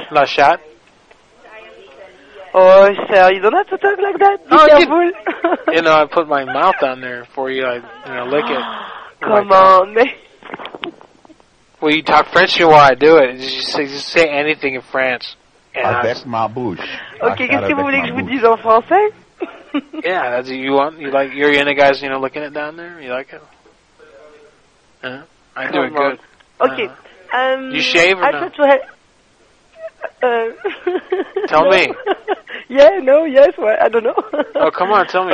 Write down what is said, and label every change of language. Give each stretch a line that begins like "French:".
French: La chat.
English: Oh, sir, you don't have to talk like that. Be careful. You know, I put my mouth on there for you. I, you know, lick it. Come on, man. Well, you talk French to me while I do it. Just say anything in French.
French: Avec ma bouche. Okay, qu'est-ce que vous voulez que je vous dise en français?
English: Yeah, that's what you want. You like, you're in the guys, you know, looking it down there? You like it? Huh? I do it good. Okay. You shave or I no? I thought you had... tell me. Yeah, no, yes, well, I don't know. Oh, come on, tell me.